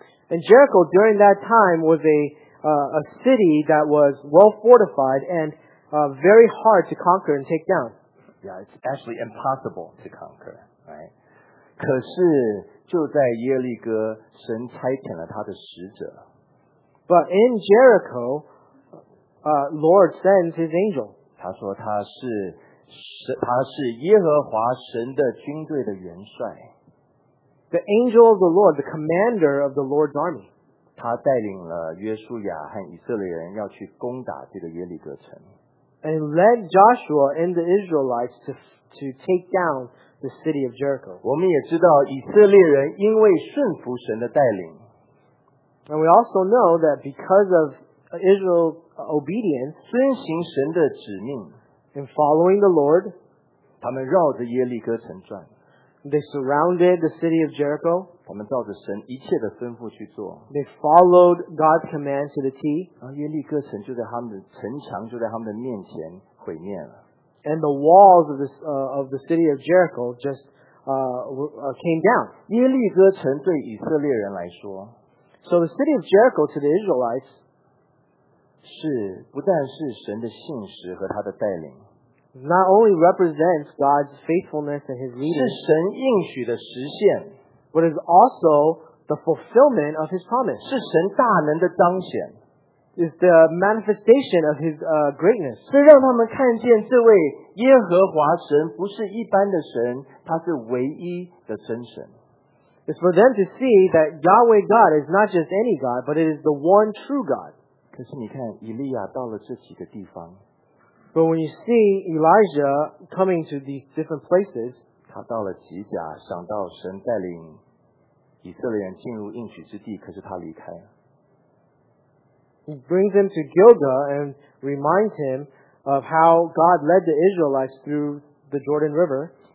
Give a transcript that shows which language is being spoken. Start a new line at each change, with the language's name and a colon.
English: and Jericho during that time was a city that was well fortified and very hard to conquer and take down. Yeah, it's actually impossible to conquer, right?
Chinese: 可是就在耶利哥，神差遣了他的使者。
English: But in Jericho, Lord sends his angel.
Chinese: 他说他是耶和华神的军队的元帅。
English: The angel of the Lord, the commander of the Lord's army.
Chinese: 他带领了约书亚和以色列人要去攻打这个耶利哥城。
English: And led Joshua and the Israelites to take down the city of Jericho.
Chinese: 我们也知道以色列人因为顺服神的带领,
English: and we also know that because of Israel's obedience,
Chinese: 遵行神的指令,
English: and following the Lord,
Chinese: 他们绕着耶利哥城转,
English: they surrounded the city of Jericho,
Chinese: 他们照着神一切的吩咐去做,
English: they followed God's command to the T,
Chinese: 然后耶利哥城就在他们的城墙就在他们的面前毁灭了。
English: And the walls of the city of Jericho just came down.
Chinese: 耶利哥城对以色列人来说,
English: so the city of Jericho to the Israelites,
Chinese: 是不但是神的信实和他的带领,
English: not only represents God's faithfulness and his leading,
Chinese: 是神应许的实现,
English: but is also the fulfillment of his promise.
Chinese: 是神大能的彰显,
English: is the manifestation of his greatness.
Chinese: 是让他们看见这位耶和华神不是一般的神, 他是唯一的真神。
English: It's for them to see that Yahweh God is not just any God, but it is the one true God.
Chinese: 可是你看, 以利亚到了这几个地方,
English: but when you see Elijah coming to these different places,
Chinese: 他到了吉甲, 想到神带领以色列人进入应许之地, 可是他离开。
English: He brings him to Gilgal and reminds him of how God led the Israelites through the Jordan River.